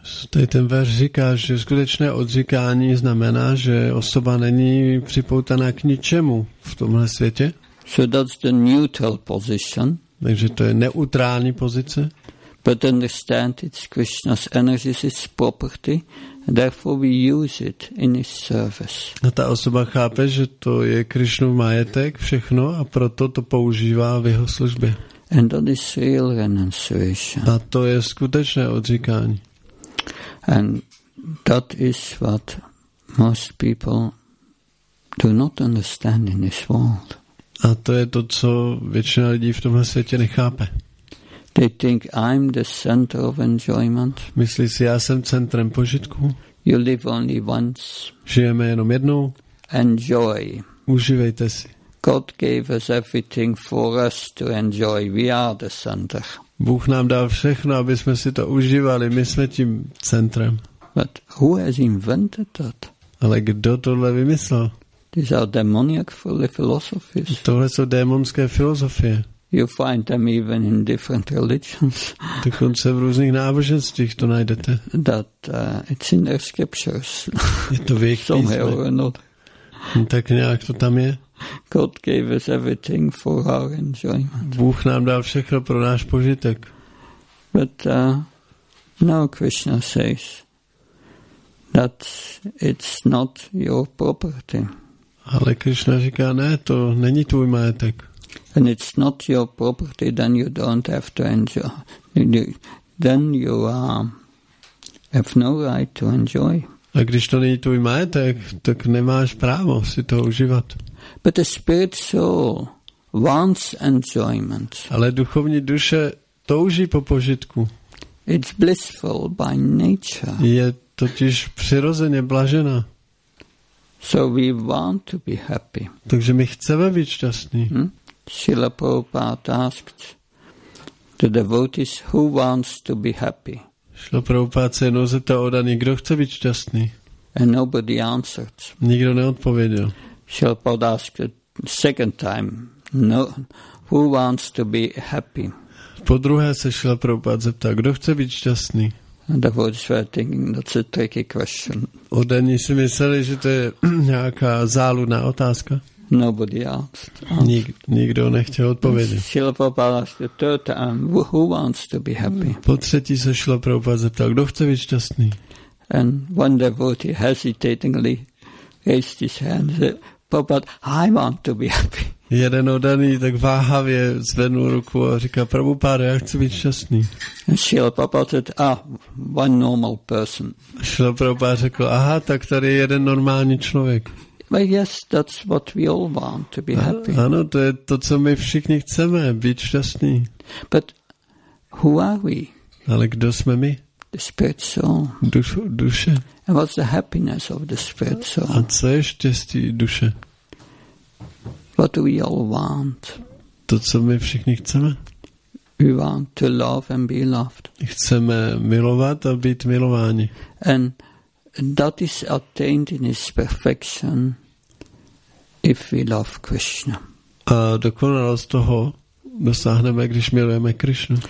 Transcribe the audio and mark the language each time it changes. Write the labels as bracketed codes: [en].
[cs] Tady ten verš říká, že skutečné odříkání znamená, že osoba není připoutaná k ničemu v tomhle světě. [en] So that's the neutral position. [cs] Takže to je neutrální pozice. [en] But understand it's Krishna's energy, its property, therefore we use it in his service. [cs] A ta osoba chápe, že to je Krišnův majetek, všechno, a proto to používá v jeho službě. [en] And that is real renunciation. [cs] A to je skutečné odříkání. [en] And that is what most people do not understand in this world. [cs] A to je to, co většina lidí v tomhle světě nechápe. [en] They think I'm the center of enjoyment. [cs] Myslí si, já jsem centrem požitku. [en] You live only once. [cs] Žijeme jenom jednou. [en] Enjoy. [cs] Užívejte si. [en] God gave us everything for us to enjoy. We are the center. [cs] Bůh nám dal všechno, aby jsme si to užívali. My jsme tím centrem. [en] But who has invented that? [cs] Ale kdo tohle vymyslel? [en] These are demoniac philosophies. [cs] Tohle jsou démonské filozofie. [en] You find them even in different religions. [cs] Dokonce v různých náboženstvích to najdete. [en] That it's in their scriptures. [cs] Je to v jejich písmech. [en] Somehow or not. [cs] Tak nějak to tam je. [en] God gave us everything for our enjoyment. [cs] Bůh nám dal všechno pro náš požitek. [en] But now Krishna says that it's not your property. [cs] Ale Krishna říká, ne, to není tvůj majetek. [en] And it's not your property, then you don't have to enjoy. Then you have no right to enjoy. [cs] A když to není tvůj majetek, tak nemáš právo si to užívat. [en] But the spirit soul wants enjoyment. [cs] Ale duchovní duše touží po požitku. [en] It's blissful by nature. [cs] Je totiž přirozeně blažená. [en] So we want to be happy. [cs] Takže my chceme být šťastní. Hmm? [en] Srila Prabhupada asked the devotees, who wants to be happy? [cs] Srila Prabhupada se jednou zeptal oddaných, kdo chce být šťastný? [en] And nobody answered. [cs] Nikdo neodpověděl. [en] Srila Prabhupada asked a second time, no, who wants to be happy? [cs] Po druhé se Srila Prabhupada zeptal, kdo chce být šťastný? [en] And the devotees were thinking, that's a tricky question. [cs] Oddaní si mysleli, že to je nějaká záludná otázka. [en] Nobody asked. [cs] Nikdo nechtěl odpovědět. [en] Srila Prabhupada asked the third time, who wants to be happy? [cs] Po třetí se Srila Prabhupada zeptal, kdo chce být šťastný? [en] And one devotee hesitatingly raised his hand and said, Prabhupada, I want to be happy. [cs] Jeden oddaný tak váhavě zvednul ruku a říká, Prabhupada, já chci být šťastný. [en] And Srila Prabhupada said, one normal person. [cs] Srila Prabhupada řekl, aha, tak tady je jeden normální člověk. [en] But yes, that's what we all want, to be happy. [cs] Ano, to je to, co my všichni chceme, být šťastní. [en] But Who are we? [cs] Ale kdo jsme my? [en] The spirit soul. [cs] Duše. [en] And what's the happiness of the spirit soul? [cs] A co je štěstí duše? [en] What do we all want? [cs] To, co my všichni chceme? [en] We want to love and be loved. [cs] Chceme milovat a být milováni. [en] And that is attained in its perfection if we love Krishna. [cs] A dokonalost toho dosáhneme, když milujeme Krishnu.